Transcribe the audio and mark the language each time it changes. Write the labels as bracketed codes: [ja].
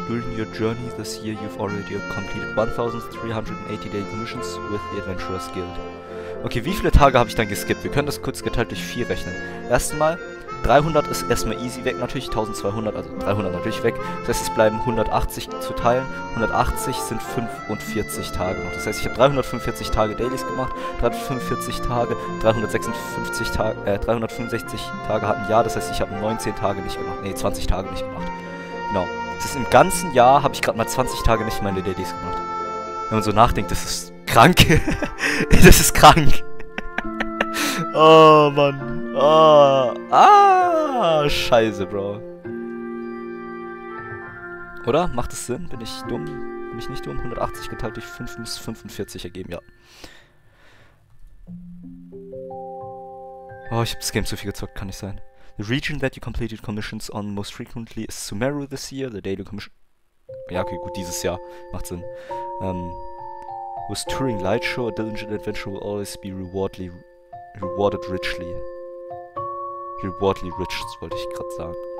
[en] During your journey this year, you've already completed 1380 day missions with the Adventurers Guild. [de] Okay, wie viele Tage habe ich dann geskippt? Wir können das kurz geteilt durch 4 rechnen. Erstmal, 300 ist erstmal easy weg, natürlich. 1200, also 300 natürlich weg. Das heißt, es bleiben 180 zu teilen. 180 sind 45 Tage noch. Das heißt, ich habe 345 Tage Dailies gemacht. 345 Tage, 356 Tage, 365 Tage hatten ja. Das heißt, ich habe 19 Tage nicht gemacht. Nee, 20 Tage nicht gemacht. Genau. Das ist im ganzen Jahr, habe ich gerade mal 20 Tage nicht meine Dailies gemacht. Wenn man so nachdenkt, das ist krank. Das ist krank. Oh, Mann. Oh, scheiße, Bro. Oder? Macht das Sinn? Bin ich dumm? Bin ich nicht dumm? 180 geteilt durch 5 muss 45 ergeben, ja. Oh, ich hab das Game zu viel gezockt, kann nicht sein. [en] The region that you completed commissions on most frequently is Sumeru this year. The daily commission... [de] Ja, okay, gut, dieses Jahr. Macht Sinn. [en] With Touring Light Show, a diligent adventure will always be rewarded richly. Rewardly rich, [de] das wollte ich gerade sagen.